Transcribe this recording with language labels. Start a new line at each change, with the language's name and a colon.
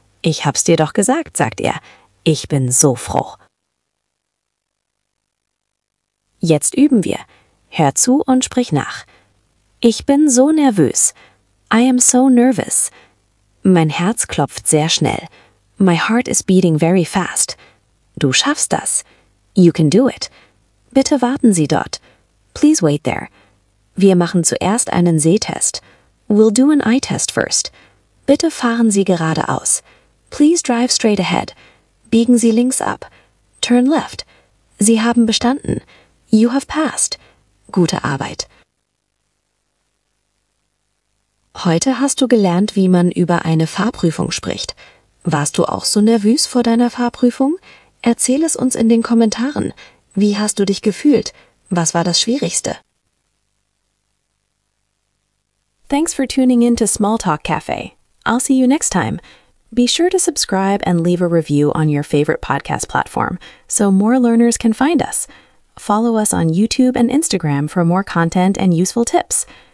German: Ich hab's dir doch gesagt, sagt er. Ich bin so froh. Jetzt üben wir. Hör zu und sprich nach. Ich bin so nervös.
English: I am so nervous.
German: Mein Herz klopft sehr schnell.
English: My heart is beating very fast.
German: Du schaffst das.
English: You can do it.
German: Bitte warten Sie dort.
English: Please wait there.
German: Wir machen zuerst einen Sehtest.
English: We'll do an eye test first.
German: Bitte fahren Sie geradeaus.
English: Please drive straight ahead.
German: Biegen Sie links ab.
English: Turn left.
German: Sie haben bestanden.
English: You have passed.
German: Gute Arbeit. Heute hast du gelernt, wie man über eine Fahrprüfung spricht. Warst du auch so nervös vor deiner Fahrprüfung? Erzähl es uns in den Kommentaren. Wie hast du dich gefühlt? Was war das Schwierigste?
English: Thanks for tuning in to Small Talk Cafe. I'll see you next time. Be sure to subscribe and leave a review on your favorite podcast platform so more learners can find us. Follow us on YouTube and Instagram for more content and useful tips.